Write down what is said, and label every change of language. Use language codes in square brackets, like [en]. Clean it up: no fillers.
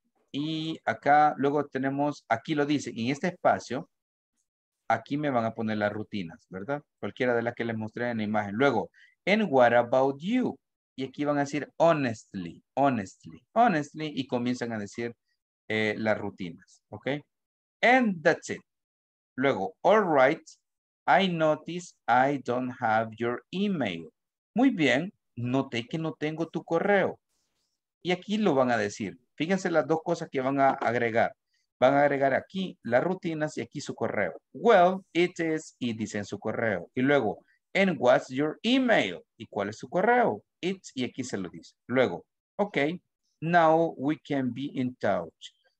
[es] Y acá luego tenemos, aquí lo dice, en este espacio, aquí me van a poner las rutinas, ¿verdad? Cualquiera de las que les mostré en la imagen. Luego, [en] and what about you? [es] Y aquí van a decir [en] honestly, honestly, honestly, [es] y comienzan a decir las rutinas. [en] Okay, and that's it. [es] Luego, [en] all right, I notice I don't have your email. [es] Muy bien, noté que no tengo tu correo. Y aquí lo van a decir. Fíjense las dos cosas que van a agregar. Van a agregar aquí las rutinas y aquí su correo. [en] Well, it is, [es] y dicen su correo. Y luego, [en] and what's your email? [es] ¿Y cuál es su correo? [en] It's, [es] y aquí se lo dice. Luego, [en] okay, now we can be in touch.